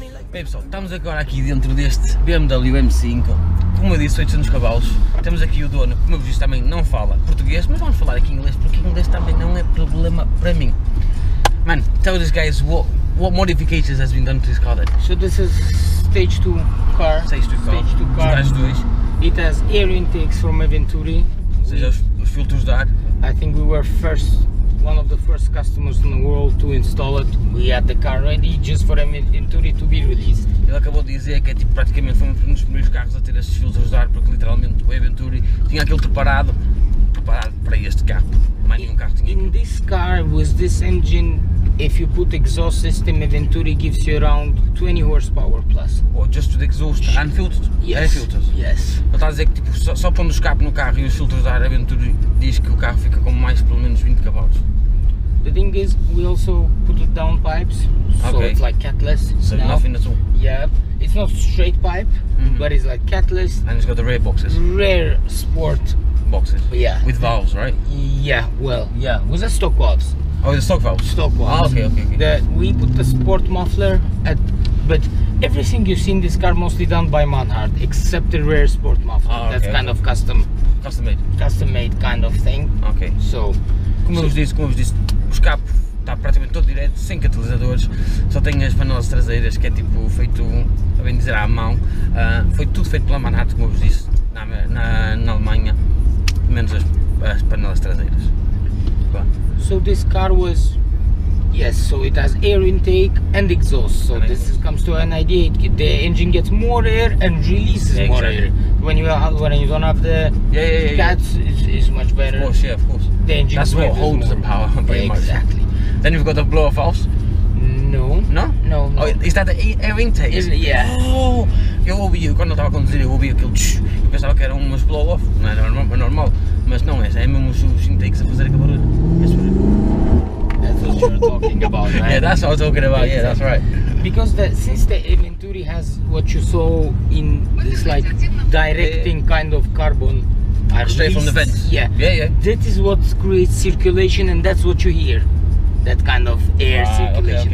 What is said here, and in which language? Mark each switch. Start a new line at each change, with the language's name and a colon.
Portuguese: Bem pessoal, estamos agora aqui dentro deste BMW M5. Como eu disse, 800 cavalos. Temos aqui o dono, como eu vos disse, também não fala português, mas vamos falar aqui em inglês, porque inglês também não é problema para mim.
English: Man, tell these guys what modifications has been done to this car then. So this is stage 2 car. Stage 2 car. Stage 2. It has air intakes from a Venturi.
Portuguese: Os filtros de ar.
English: I think we were first, one of the first customers in the world to install it. We had the car ready just for a Venturi to be released.
Portuguese: Ele acabou de dizer que é tipo praticamente foi um dos primeiros carros a ter estes filtros de ar, porque literalmente o Venturi tinha aquilo preparado para este carro. Mais nenhum carro tinha.
English: In this car, with this engine, if you put exhaust system, Venturi gives you around 20 horsepower plus. Oh, just to the exhaust, unfiltered? Yes. Air filters? Yes.
Portuguese: Ele está a dizer que tipo, só pondo o escape no carro e os filtros de ar, a Venturi diz que o carro fica com mais pelo menos 20 cavalos.
English: The thing is, we also put it down pipes, okay. So it's like catless. So now, nothing at all? Yep. It's not straight pipe, mm-hmm. But it's like catless. And it's got the rear boxes. Rare sport boxes. Yeah. With valves, right? Yeah, well, yeah. With the stock valves. Oh, the stock valves? Stock valves. Ah, okay. We put the sport muffler at, but everything you see in this car mostly done by Mannhardt, except the rare sport muffler. Ah, okay, that's okay. Kind of custom. Custom made. Custom made kind of thing. Okay. So.
Portuguese: Como eu vos disse, o escape está praticamente todo direto, sem catalisadores, só tem as panelas traseiras, que é tipo feito, a bem dizer, à mão. Foi tudo feito pela Mannhardt, como eu vos disse, na Alemanha, menos as panelas traseiras.
English: So this car was, yes, so it has air intake and exhaust, so this comes to an idea, the engine gets more air and releases exactly. More air. When you don't have the cats, it's much better. Of course, yeah, of course. The engine that's what holds more. The power, pretty exactly. Much. Exactly. Then you've got the blower valves? No. Oh, is that the air intake? Yeah.
Portuguese: Oh, eu quando estava a conduzir, eu ouvi aquilo, eu pensava que era um blow-off, não era normal. Mas não, é mesmo os intakes a fazer aquele barulho.
English: That's what you're talking about, right? Yeah, that's what I was talking about, exactly. Yeah, that's right. Because since the Venturi has what you saw in this like directing kind of carbon. Straight least, from the vents. Yeah. That is what creates circulation and that's what you hear. That kind of air circulation.